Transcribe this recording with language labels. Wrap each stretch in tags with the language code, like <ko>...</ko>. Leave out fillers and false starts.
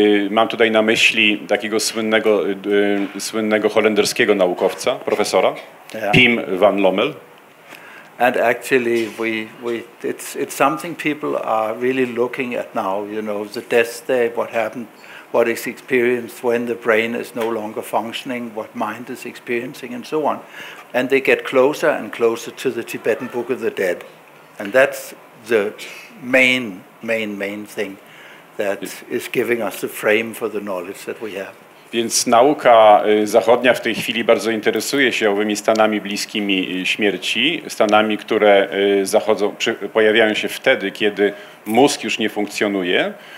<pl>Mam tutaj na myśli takiego słynnego holenderskiego naukowca, profesora, yeah. Pim van Lommel.</pl> <en>And actually it's something people are really looking at now, you know, the death day, what happened. What is experienced when the brain is no longer functioning, what mind is experiencing, and so on. And they get closer and closer to the Tibetan Book of the Dead. And that's the main thing that is giving us the frame for the knowledge that we have.</en> <pl>Więc nauka zachodnia w tej chwili bardzo interesuje się owymi stanami bliskimi śmierci, stanami, które zachodzą, pojawiają się wtedy, kiedy mózg już nie funkcjonuje.</pl>